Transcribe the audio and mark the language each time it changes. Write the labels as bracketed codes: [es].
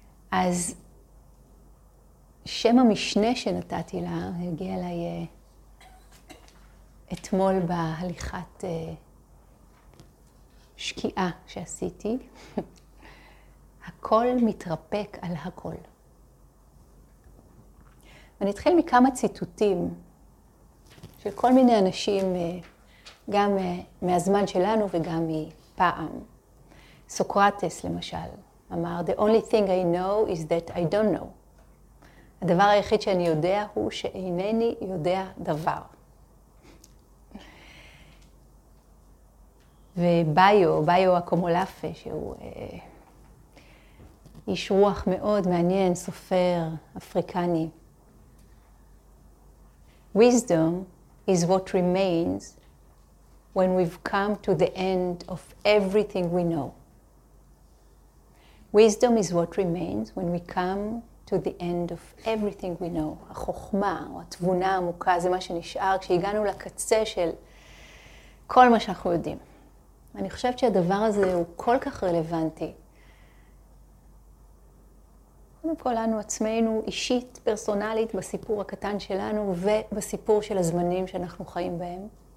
[he] אז שם המשנה שנתתי לה, הגיע אליי אתמול בהליכת שקיעה שעשיתי, הכל מתרפק על הכל. ואני אתחיל מכמה ציטוטים של כל מיני אנשים, גם מהזמן שלנו וגם מפעם. סוקרטס למשל אמר, [en] "The only thing I know is that I don't know." [he] הדבר היחיד שאני יודע הוא שאינני יודע דבר. וביו אקומולפה, שהוא איש רוח מאוד מעניין, סופר אפריקני. [en] Wisdom is what remains when we've come to the end of everything we know. Wisdom is what remains when we come to the end of everything we know. [he] החוכמה או התבונה העמוקה זה מה שנשאר כשהגענו לקצה של כל מה שאנחנו יודעים. אני חושבת שהדבר הזה הוא כל כך רלוונטי. קודם כל לנו עצמנו אישית, פרסונלית, בסיפור הקטן שלנו ובסיפור של הזמנים שאנחנו חיים בהם.